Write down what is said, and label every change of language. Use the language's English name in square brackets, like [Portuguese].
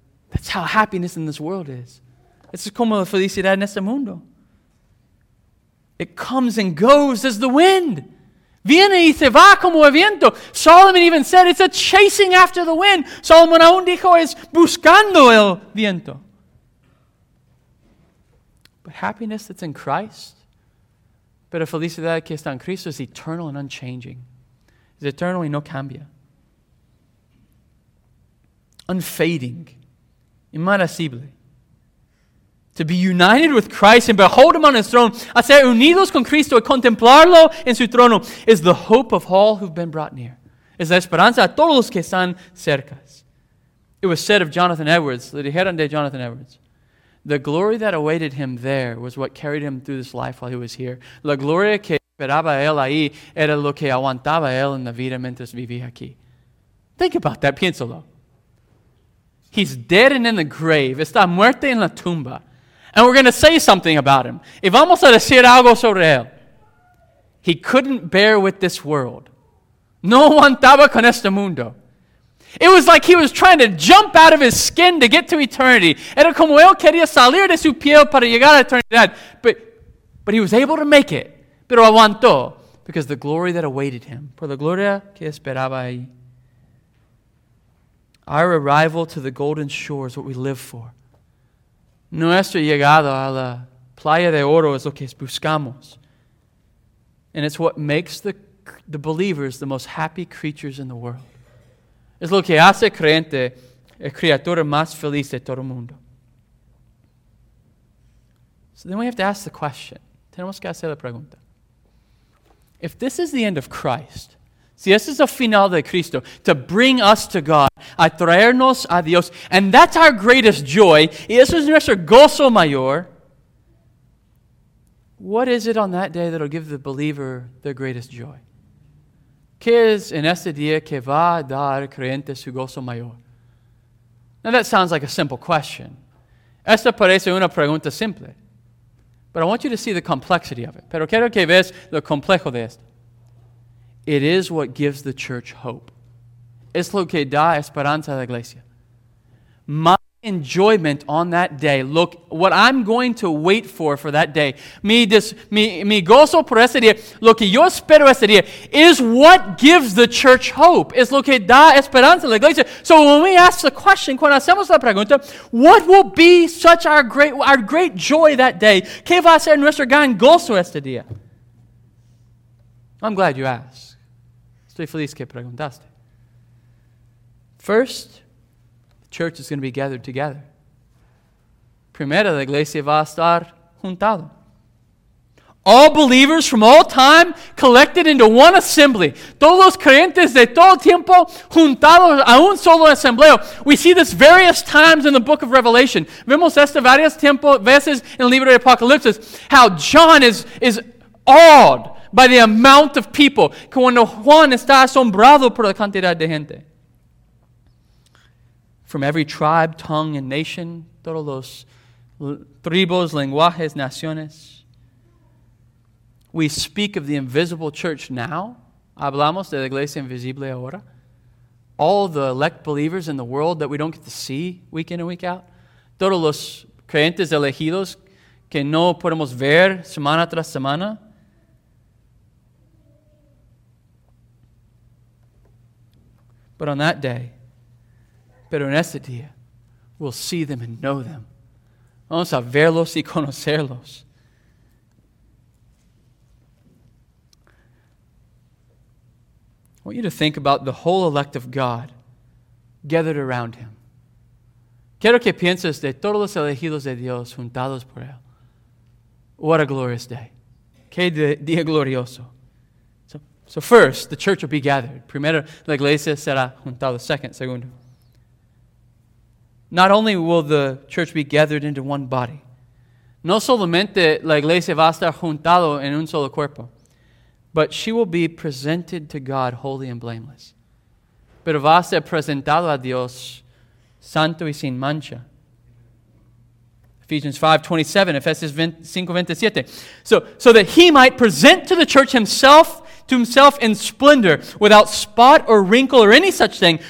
[English] That's how happiness in this world is. [Spanish] Es como la felicidad en este mundo. [English] It comes and goes as the wind. [Spanish] Viene y se va como el viento. [English] Solomon even said it's a chasing after the wind. [Spanish] Solomon aún dijo es buscando el viento. [English] But happiness that's in Christ, [Spanish] pero felicidad que está en Cristo, [English] is eternal and unchanging. Is eternal [Spanish] y no cambia. [English] Unfading. [Spanish] Imarcesible. [English] To be united with Christ and behold him on his throne, [Spanish] a ser unidos con Cristo y contemplarlo en su trono, [English] is the hope of all who've been brought near. [Spanish] es la esperanza a todos los que están cerca. [English] It was said of Jonathan Edwards, the Heron de Jonathan Edwards, the glory that awaited him there was what carried him through this life while he was here. [Spanish] La gloria que esperaba él ahí era lo que aguantaba él en la vida mientras vivía aquí. [English] Think about that, [Spanish] piénsalo. [English] He's dead and in the grave. [Spanish] Está muerte en la tumba. [English] And we're going to say something about him. [Spanish] Y vamos a decir algo sobre él. [English] He couldn't bear with this world. [Spanish] No aguantaba con este mundo. [English] It was like he was trying to jump out of his skin to get to eternity. [Spanish] Era como él quería salir de su piel para llegar a eternidad. [English] But he was able to make it. [Spanish] Pero aguantó. [English] Because the glory that awaited him. [Spanish] Por la gloria que esperaba ahí. [English] Our arrival to the golden shore is what we live for. [Spanish] Nuestro llegado a la playa de oro es lo que buscamos. [English] And it's what makes the believers the most happy creatures in the world. [Spanish] Es lo que hace creyente el criatura más feliz de todo el mundo. [English] So then we have to ask the question. [Spanish] Tenemos que hacer la pregunta. [English] If this is the end of Christ, [Spanish] si este es el final de Cristo, [English] to bring us to God, [Spanish] a traernos a Dios, [English] and that's our greatest joy, [Spanish] y eso es nuestro gozo mayor, [English] what is it on that day that will give the believer their greatest joy? [Spanish] ¿Qué es en este día que va a dar creyente su gozo mayor? [English] Now that sounds like a simple question. [Spanish] Esta parece una pregunta simple. [English] But I want you to see the complexity of it. [Spanish] Pero quiero que veas lo complejo de esto. [English] It is what gives the church hope. [Spanish] Es lo que da esperanza a la iglesia. [English] My enjoyment on that day, look, what I'm going to wait for that day, [Spanish] mi gozo por ese día, [English] lo que yo espero ese día, is what gives the church hope. [Spanish] Es lo que da esperanza a la iglesia. [English] So when we ask the question, [Spanish] cuando hacemos la pregunta, [English] what will be such our great joy that day? [Spanish] ¿Qué va a ser nuestro gran gozo ese día? [English] I'm glad you asked. [Spanish] Estoy feliz que preguntaste. [English] First, the church is going to be gathered together. [Spanish] Primero, la iglesia va a estar juntada. [English] All believers from all time collected into one assembly. [Spanish] Todos los creyentes de todo tiempo juntados a un solo asambleo. [English] We see this various times in the book of Revelation. [Spanish] Vemos esto varias veces en el libro de Apocalipsis. [English] How John is awed by the amount of people. [Spanish] Cuando Juan está asombrado por la cantidad de gente. [English] From every tribe, tongue, and nation, [Spanish] todos los tribos, lenguajes, naciones. [English] We speak of the invisible church now. [Spanish] Hablamos de la iglesia invisible ahora. [English] All the elect believers in the world that we don't get to see week in and week out. [Spanish] Todos los creyentes elegidos que no podemos ver semana tras semana. [English] But on that day, [Spanish] pero en ese día, [English] we'll see them and know them. [Spanish] Vamos a verlos y conocerlos. [English] I want you to think about the whole elect of God gathered around him. [Spanish] Quiero que pienses de todos los elegidos de Dios juntados por él. [English] What a glorious day. [Spanish] Qué día glorioso. [English] So first, the church will be gathered. [Spanish] Primero, la iglesia será juntada. [English] Second, [Spanish] segundo. [English] Not only will the church be gathered into one body. [Spanish] No solamente la iglesia va a estar juntada en un solo cuerpo. [English] But she will be presented to God holy and blameless. [Spanish] Pero va a ser presentado a Dios santo y sin mancha. [English] Ephesians 5:27, Ephesians 5:27. So that he might present to the church himself in splendor, without spot or wrinkle or any such thing.